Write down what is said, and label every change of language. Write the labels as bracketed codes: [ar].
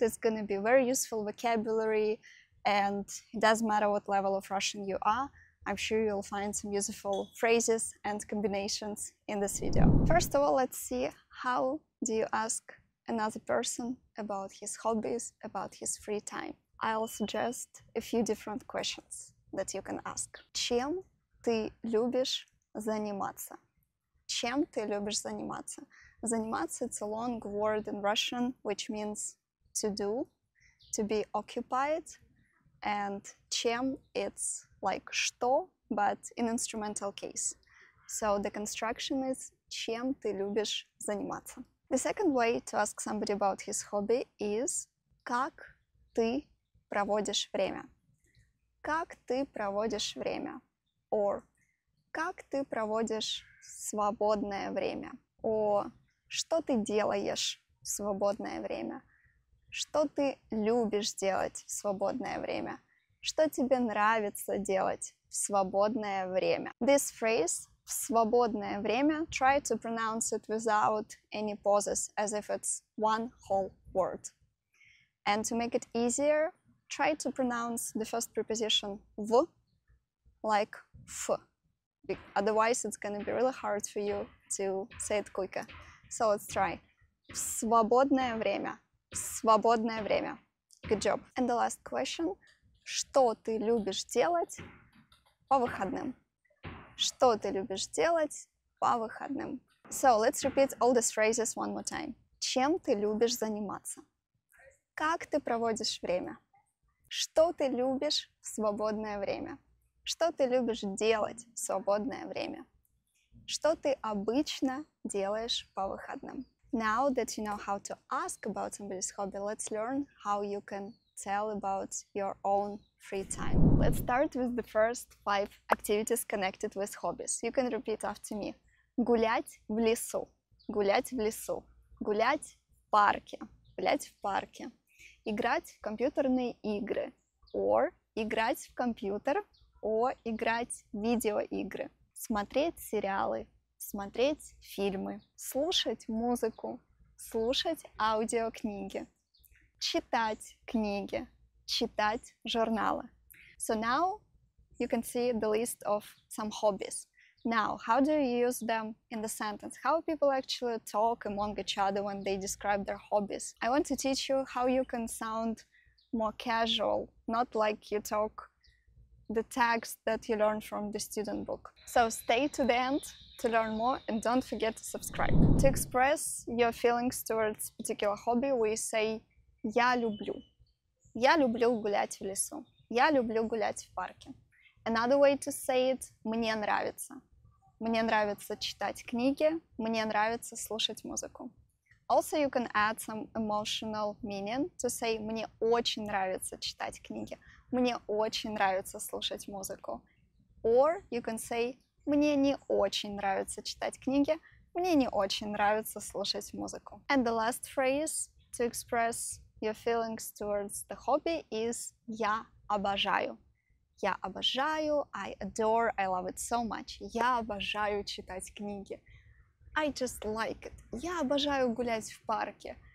[en] It's going to be very useful vocabulary, and it doesn't matter what level of Russian you are. I'm sure you'll find some useful phrases and combinations in this video. First of all, let's see how do you ask another person about his hobbies, about his free time. I'll suggest a few different questions that you can ask. [ru] Чем ты любишь заниматься? Чем ты любишь заниматься? [en] Заниматься — it's a long word in Russian, which means to do, to be occupied. And чем — it's like что, but in instrumental case. So the construction is [ru] чем ты любишь заниматься. [en] The second way to ask somebody about his hobby is [ru] как ты проводишь время? Как ты проводишь время? [en] Or [ru] как ты проводишь свободное время? Or что ты делаешь в свободное время? Что ты любишь делать в свободное время? Что тебе нравится делать в свободное время? [en] This phrase, [ru] в свободное время, [en] try to pronounce it without any pauses, as if it's one whole word. And to make it easier, try to pronounce the first preposition в, like ф. Otherwise, it's gonna be really hard for you to say it quicker. So let's try. [ru] В свободное время. В свободное время. [en] Good job. And the last question. [ru] Что ты любишь делать по выходным? Что ты любишь делать по выходным? [en] So let's repeat all these phrases one more time. [ru] Чем ты любишь заниматься? Как ты проводишь время? Что ты любишь в свободное время? Что ты любишь делать в свободное время? Что ты обычно делаешь по выходным? [en] Now that you know how to ask about somebody's hobby, let's learn how you can tell about your own free time. Let's start with the first five activities connected with hobbies. You can repeat after me. [ru] Гулять в лесу. Гулять в лесу. Гулять в парке. Гулять в парке. Играть в компьютерные игры. [en] Or [ru] играть в компьютер. [en] Or [ru] играть в видеоигры. Смотреть сериалы, смотреть фильмы, слушать музыку, слушать аудиокниги, читать книги, читать журналы. [en] So now you can see the list of some hobbies. Now, how do you use them in the sentence? How people actually talk among each other when they describe their hobbies? I want to teach you how you can sound more casual, not like you talk the text that you learned from the student book. So stay to the end to learn more and don't forget to subscribe. To express your feelings towards particular hobby, we say [ru] я люблю. Я люблю гулять в лесу. Я люблю гулять в парке. [en] Another way to say it, [ru] мне нравится. Мне нравится читать книги. Мне нравится слушать музыку. [en] Also, you can add some emotional meaning to say [ru] мне очень нравится читать книги. Мне очень нравится слушать музыку. [en] Or you can say, [ru] мне не очень нравится читать книги. Мне не очень нравится слушать музыку. [en] And the last phrase to express your feelings towards the hobby is [ru] я обожаю. Я обожаю, [en] I adore, I love it so much. [ru] Я обожаю читать книги. [en] I just like it. [ru] Я обожаю гулять в парке.